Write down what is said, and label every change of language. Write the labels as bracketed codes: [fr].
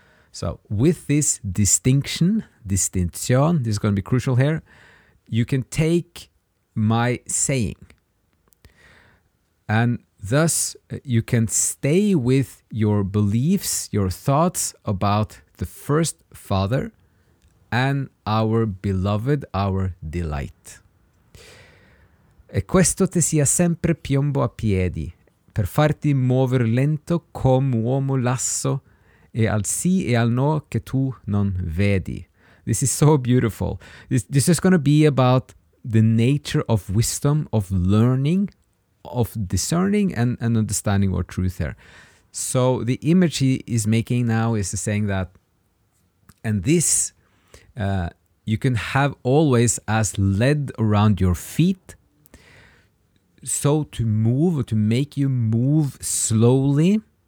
[en] So with this distinction, this is going to be crucial here, you can take my saying. And thus you can stay with your beliefs, your thoughts about the first father, and our beloved, our delight. [it] "E questo ti sia sempre piombo a piedi, per farti muover lento come uomo lasso, e al sì e al no che tu non vedi." [en] This is so beautiful. This is going to be about the nature of wisdom, of learning, of discerning and understanding what truth there. So the image he is making now is saying that, and this you can have always as lead around your feet, so to move, or to make you move slowly.